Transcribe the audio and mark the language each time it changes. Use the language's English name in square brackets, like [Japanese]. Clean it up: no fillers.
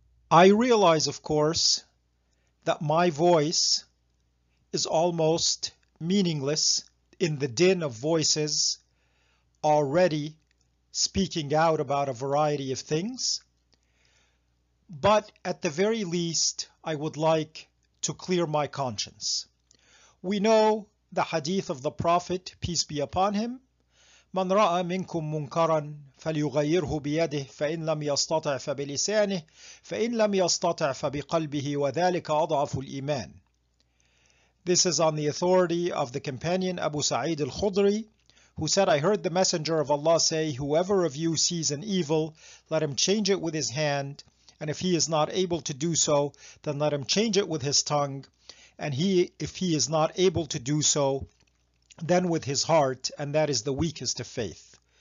[English] I realize, of course, that my voice is almost meaningless in the din of voices already speaking out about a variety of things. But at the very least, I would like to clear my conscience. We know the hadith of the Prophet, peace be upon him, [Arabic] "Man ra'a minkum munkaran فليغيره بيده فإن لم يستطع فبلسانه فإن لم يستطع فبقلبه وذلك أضعف الإيمان." [English] This is on the authority of the companion Abu Sa'id al-Khudri, who said, "I heard the Messenger of Allah say, whoever of you sees an evil, let him change it with his hand, and if he is not able to do so, then let him change it with his tongue, and if he is not able to do so, then with his heart, and that is the weakest of faith."